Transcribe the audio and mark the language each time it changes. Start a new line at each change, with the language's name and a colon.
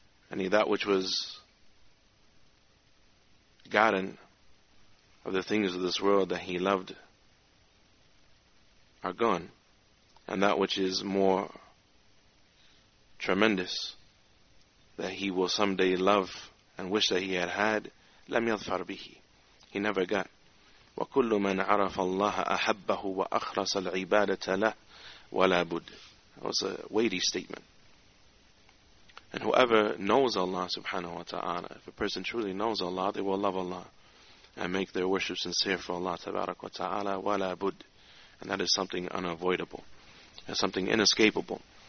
English: And that which was gotten of the things of this world that he loved are gone. And that which is more tremendous that he will someday love and wish that he had,
Arabic: لم يظفر به.
English: He never got.
Arabic: وكل من عرف الله أحبه وأخلص العبادة له ولا بد.
English: That was a weighty statement. And whoever knows Allah subhanahu wa ta'ala, if a person truly knows Allah, they will love Allah and make their worship sincere for Allah tabarak wa ta'ala
Arabic: ولا بد.
English: And that is something unavoidable. It's something inescapable.